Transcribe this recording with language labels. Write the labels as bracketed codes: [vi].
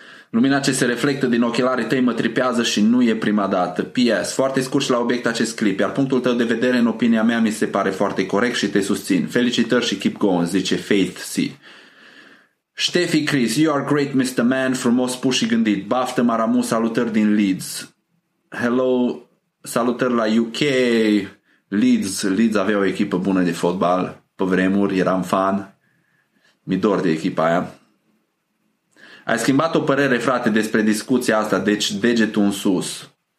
[ro] Lumina ce se reflectă din ochelarii tăi mă tripează și nu e prima dată. P.S. Foarte scurt și la obiect acest clip, iar punctul tău de vedere, în opinia mea, mi se pare foarte corect și te susțin. Felicitări și [en] keep going, [ro] zice Faith C. [en] Ștefi Chris, you are great, Mr. [ro] Man, frumos pus și gândit. Baftă, Maramu, salutări din Leeds. Hello, salutări la UK. Leeds avea o echipă bună de fotbal. Pe vremuri eram fan. Mi-e dor de echipa aia. Ai schimbat o părere, frate, despre discuția asta, deci degetul în sus.